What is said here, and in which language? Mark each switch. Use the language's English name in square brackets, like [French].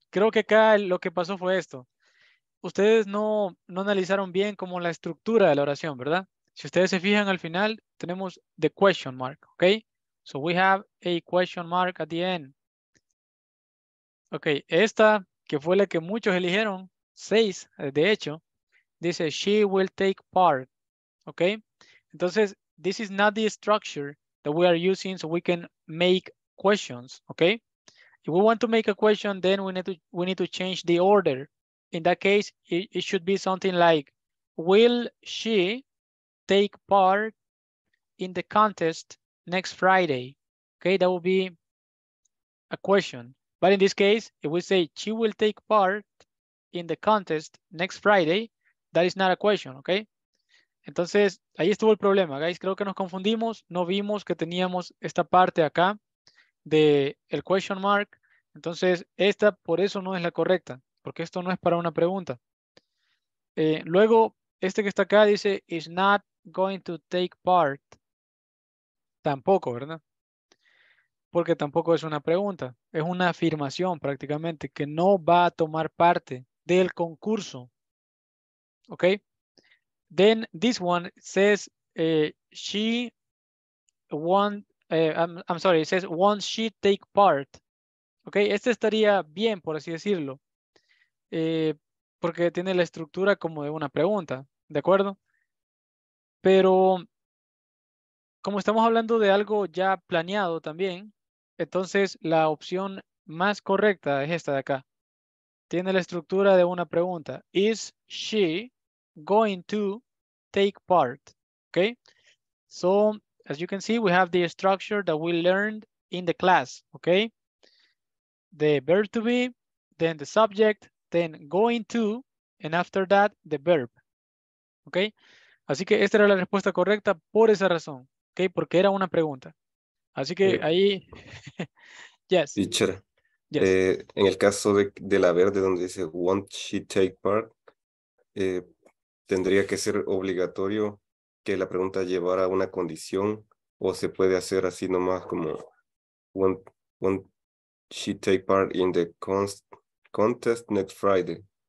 [Spanish] Creo que acá lo que pasó fue esto. Ustedes no analizaron bien como la estructura de la oración, ¿verdad? Si ustedes se fijan al final, tenemos [English] the question mark, [Spanish] okay? [English] So we have a question mark at the end. [Spanish] Okay, esta, que fue la que muchos eligieron, seis, de hecho, dice, [English] she will take part. Okay, [Spanish] entonces, [English] this is not the structure that we are using so we can make questions, okay? If we want to make a question, then we need to change the order. In that case, it should be something like, will she take part in the contest next Friday? Okay, that will be a question. But in this case, if we say she will take part in the contest next Friday, that is not a question, okay? [Spanish] Entonces, ahí estuvo el problema, guys. Creo que nos confundimos. No vimos que teníamos esta parte acá de el question mark. Entonces, esta por eso no es la correcta, porque esto no es para una pregunta. Luego, este que está acá dice, [English] is not going to take part. [Spanish] Tampoco, ¿verdad? Porque tampoco es una pregunta. Es una afirmación prácticamente que no va a tomar parte del concurso. ¿Ok? [English] Then this one says she won't, I'm sorry, it says won't she take part. [Spanish] ¿Ok? Este estaría bien, por así decirlo. Porque tiene la estructura como de una pregunta. ¿De acuerdo? Pero como estamos hablando de algo ya planeado también, entonces la opción más correcta es esta de acá. Tiene la estructura de una pregunta. [English] Is she going to take part? Okay. So, as you can see, we have the structure that we learned in the class. Okay. The verb to be, then the subject, then going to, and after that, the verb. Okay. [Spanish] Así que esta era la respuesta correcta por esa razón. Okay, porque era una pregunta. Así que ahí, yes. [English] Teacher, yes. [Spanish] En el caso de la verde donde dice, [English] won't she take part, [Spanish] ¿tendría que ser obligatorio que la pregunta llevara una condición o se puede hacer así nomás como, [English] won't she take part in the contest next Friday?